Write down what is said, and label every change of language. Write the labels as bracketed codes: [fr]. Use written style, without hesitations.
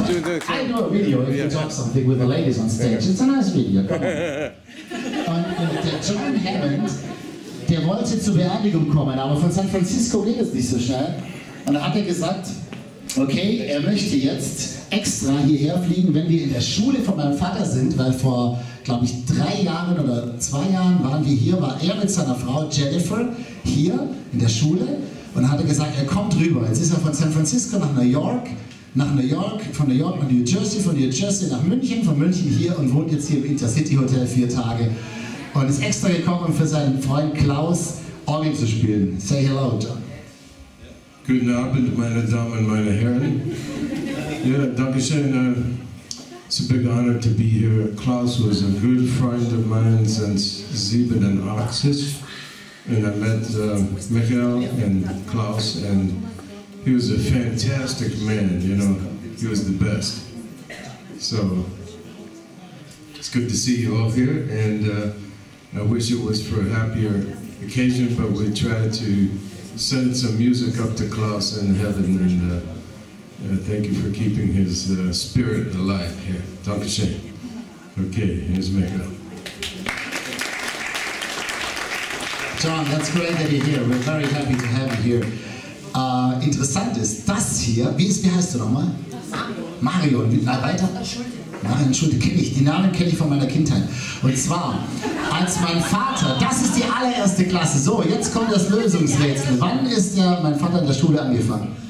[en] I'm doing this. I do a video if you talk something with the ladies on stage. It's a nice video. [de] Und der John Hammond, der wollte zur Beerdigung kommen, aber von San Francisco geht es nicht so schnell. Und da hat er gesagt, okay, er möchte jetzt extra hierher fliegen, wenn wir in der Schule von meinem Vater sind, weil vor, glaube ich, 3 Jahren oder 2 Jahren waren wir hier, war er mit seiner Frau Jennifer hier in der Schule. Und dann hat er gesagt, er kommt rüber. Jetzt ist er von San Francisco nach New York, von New York nach New Jersey, von New Jersey nach München, von München hier und wohnt jetzt hier im Intercity Hotel 4 Tage. Und ist extra gekommen, um für seinen Freund Klaus Orgel zu spielen. [en] Say hello, John. [de] Guten Abend, meine Damen, meine Herren. Ja, danke schön. [en] It's a big honor to be here. Klaus was a good friend of mine since 87. And I met Michael and Klaus, and he was a fantastic man, you know, he was the best. So, It's good to see you all here, and I wish it was for a happier occasion, but we try to send some music up to Klaus in heaven, and thank you for keeping his spirit alive here. [de] Dankeschön. [en] Okay, here's Mecca. John, that's great that you're here. We're very happy to have you here. [de] Interessant ist, das hier, wie heißt du nochmal? Mario. Mario, weiter? Marion Schulte, kenne ich. Die Namen kenne ich von meiner Kindheit. Und zwar, als mein Vater, das ist die allererste Klasse. So, jetzt kommt das Lösungsrätsel. Wann ist mein Vater in der Schule angefangen?